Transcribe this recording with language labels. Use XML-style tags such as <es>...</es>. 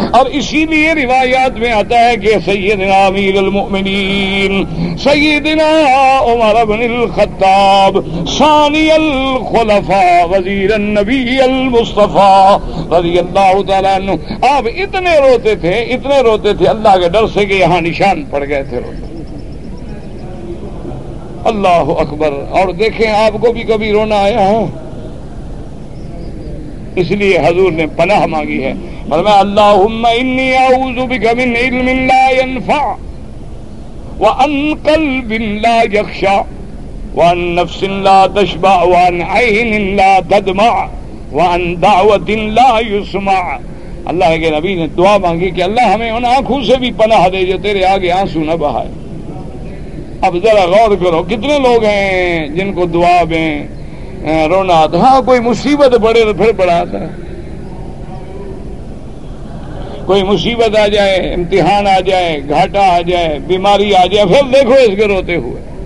<ur>اور اسی لیے روایات میں آتا ہے کہ سیدنا امیر المؤمنین سیدنا عمر بن الخطاب ثانی الخلفاء وزیر النبی المصطفیٰ رضی اللہ تعالیٰ عنہ, آپ اتنے روتے تھے, اتنے روتے تھے اللہ کے ڈر سے کہ یہاں نشان پڑ گئے تھے روتے. اللہ اکبر. اور دیکھیں آپ کو بھی کبھی رونا آیا ہے, اس لیے حضور نے پناہ مانگی ہے. فرمایا</ur> <ar>اللہم انی اعوذ بک من علم لا ينفع وعن قلب لا يخشع وعن نفس لا تشبع وعن عين لا تدمع وعن دعوة لا يسمع.</ar> <ur>اللہ کے نبی نے دعا مانگی کہ اللہ ہمیں ان آنکھوں سے بھی پناہ دے جو تیرے آگے آنسو نہ بہائے. اب ذرا غور کرو کتنے لوگ ہیں جن کو دعا میں رونا آتا. ہاں کوئی مصیبت بڑے تو پھر بڑا آتا, کوئی مصیبت آ جائے, امتحان آ جائے, گھاٹا آ جائے, بیماری آ جائے, پھر دیکھو اس کے روتے ہوئے.</ur>